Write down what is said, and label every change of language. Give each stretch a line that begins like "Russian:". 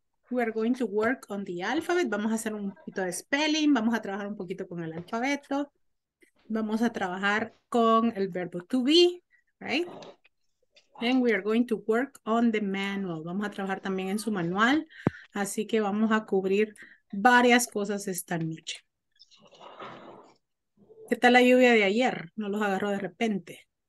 English: We are going to work on the alphabet.
Spanish: Vamos a hacer un poquito de spelling. Vamos a trabajar un poquito con el alfabeto. Vamos a trabajar con el verbo to be,
English: right? Then we are going to work on the manual.
Spanish: Vamos a trabajar también en su manual. Así que vamos a cubrir varias cosas esta noche. ¿Qué tal la lluvia de ayer? ¿No los agarró de repente?